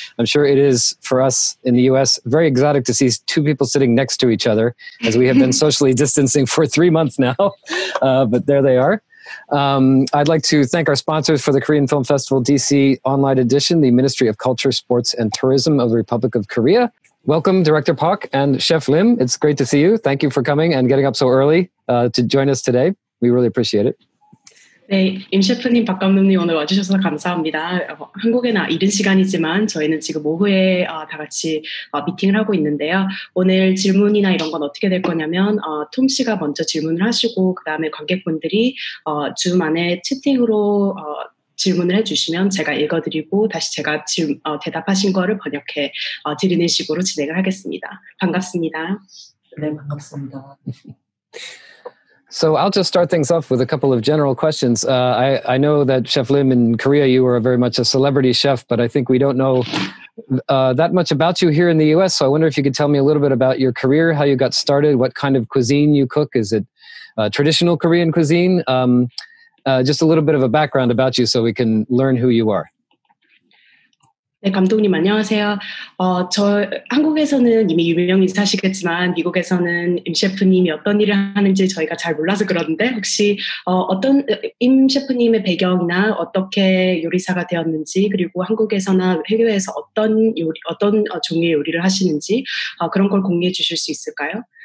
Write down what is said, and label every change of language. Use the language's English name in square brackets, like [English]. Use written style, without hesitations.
[English] I'm sure it is, for us in the U.S., very exotic to see two people sitting next to each other, as we have been socially distancing for 3 months now, but there they are. I'd like to thank our sponsors for the Korean Film Festival DC Online Edition, the Ministry of Culture, Sports, and Tourism of the Republic of Korea. Welcome, Director Park and Chef Lim. It's great to see you. Thank you for coming and getting up so early to join us today. We really appreciate it. [Korean] 네, 임 셰프님, 박 감독님 오늘 와주셔서 감사합니다. 한국에나 이른 시간이지만 저희는 지금 오후에 다 같이 미팅을 하고 있는데요. 오늘 질문이나 이런 건 어떻게 될 거냐면 톰 씨가 먼저 질문을 하시고 그 다음에 관객분들이 줌 안에 채팅으로 질문을 해주시면 제가 읽어드리고 다시 제가 대답하신 거를 번역해 드리는 식으로 진행을 하겠습니다. 반갑습니다. 네, 반갑습니다. [English] So I'll just start things off with a couple of general questions. I know that Chef Lim, in Korea, you are very much a celebrity chef, but I think we don't know that much about you here in the U.S., so I wonder if you could tell me a little bit about your career, how you got started, what kind of cuisine you cook. Is it traditional Korean cuisine? Just a little bit of a background about you so we can learn who you are. [Korean] 네, 감독님 안녕하세요. 저 한국에서는 이미 유명인사시겠지만 미국에서는 임 셰프님이 어떤 일을 하는지 저희가 잘 몰라서 그러는데 혹시 어떤 임 셰프님의 배경이나 어떻게 요리사가 되었는지 그리고 한국에서나 해외에서 어떤 요리 어떤 종류의 요리를 하시는지 그런 걸 공유해 주실 수 있을까요?